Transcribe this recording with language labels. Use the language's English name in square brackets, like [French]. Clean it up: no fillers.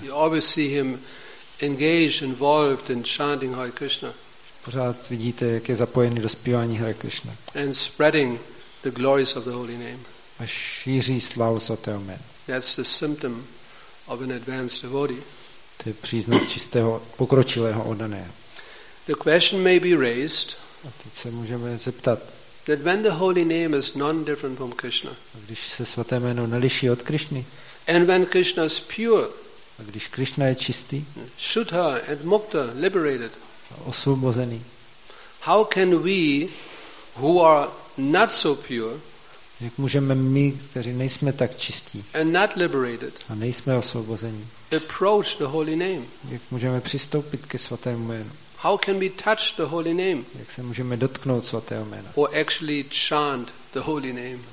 [English] You always see him engaged, involved in chanting Hare Krishna. [Czech] Pořád vidíte, jak je zapojený do zpívání Hare Krishna. [English] And spreading the glories of the holy name. [Czech] A šíří slávu svatého jména. [English] That's the symptom of an advanced devotee. [Czech] To je příznak čistého, pokročilého oddaného. [English] The question may be raised. [Czech] A teď se můžeme zeptat. [English] That when the holy name is non-different from Krishna. [Czech] A když se svaté jméno neliší od Krishny. [English] And when Krishna is pure. [Czech] A když Krishna je čistý. [English] Shuddha and mukta, liberated. [Czech] Osvobozený. [English] How can we, who are not so pure. [Czech] Jak můžeme my, kteří nejsme tak čistí. [English] And not liberated. [Czech] A nejsme osvobození. [English] Approach the holy name. [Czech] Jak můžeme přistoupit ke svatému jménu? [English] How can we touch the holy name? [Czech] Jak se můžeme dotknout svatého jména? [English] Or actually chant the holy name.